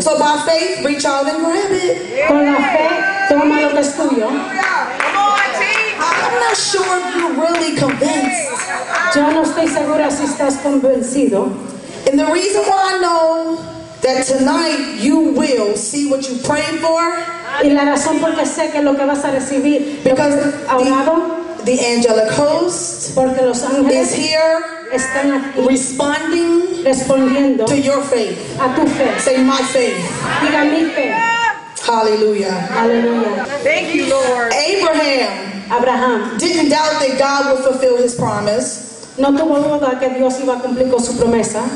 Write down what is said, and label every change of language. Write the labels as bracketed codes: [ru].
[en] So by faith, reach out and grab it. Yeah. [es] Con la fe, toma lo que es tuyo. [en] I'm not sure if you're really convinced. [es] Yo no estoy segura si estás convencido. [en] And the reason why I know that tonight you will see what you prayed for. [es] Y la razón porque sé que lo que vas a recibir. [en] Because the angelic host [es] porque los ángeles [en] is here [es] están aquí [en] responding [es] respondiendo [en] to your faith. [es] A tu fe. [en] Say my faith. [es] Diga mi fe. [en] Hallelujah. Hallelujah. Thank you, Lord. Abraham didn't doubt that God would fulfill his promise. [es] No tuvo duda que Dios iba a cumplir con su promesa.